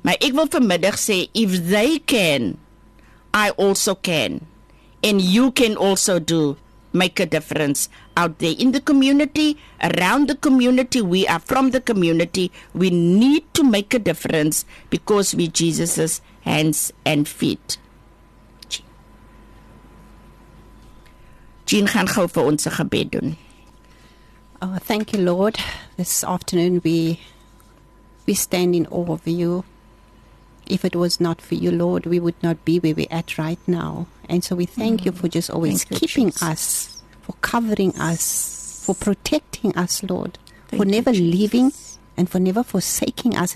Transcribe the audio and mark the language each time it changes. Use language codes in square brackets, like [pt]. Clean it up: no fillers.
[af] Maar ek wil vanmiddag sê, [en] if they can, I also can, and you can also do, make a difference out there in the community, around the community, we are from the community, we need to make a difference because we Jesus's hands and feet. [af] Jean gaan gou vir ons 'n gebed doen. [en] Oh, thank you, Lord. This afternoon we stand in awe of you. If it was not for you, Lord, we would not be where we're at right now. And so we thank you for just always keeping us, for covering us, for protecting us, Lord, for never leaving and for never forsaking us.